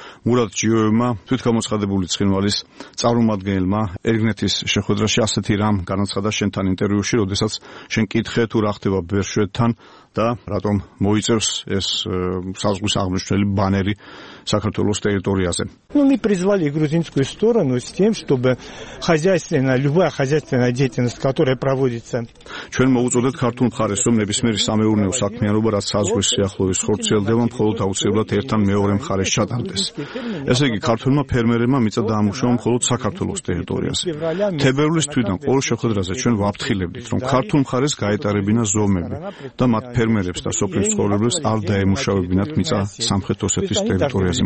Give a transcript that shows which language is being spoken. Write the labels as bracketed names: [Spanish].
[Georgian] მურად ჯიოევმა, თვითგამოცხადებული ცხინვალის წარმომადგენელმა, ერგნეთის შეხვედრაში ასეთი რამ განაცხადა შენთან ინტერვიუში, როდესაც შენ კითხე თუ რა ხდება ბერშვეთთან და რატომ მოიწევს ეს საზღვის აღმნიშვნელი ბანერი საქართველოს ტერიტორიაზე. [Russian] Ну мы призвали грузинскую сторону с тем, чтобы хозяйственная любая хозяйственная деятельность, которая проводится. [Georgian] ჩვენ მოუწოდეთ ქართულ მხარეს, რომ ნებისმიერი სამეურნეო საქმიანობა, რაც საზღვის სიახლოვეს ხორციელდება, მხოლოდ აუცილებლად ერთთან მეორე მხარეს ჩატარდეს. ესე იგი, ქართულმა ფერმერებმა მიწა დაამუშავონ მხოლოდ საქართველოს ტერიტორიაზე. თებერვლის თვიდან ყოველ შეხვედრაზე ჩვენ ვაფრთხილებდით, რომ ქართულ მხარეს გაეტარებინა ზომები და მათ ფერმერებს და სოფლის ცხოვრებას არ დაემუშავებინათ მიწა სამხრეთ ოსეთის ტერიტორიაზე.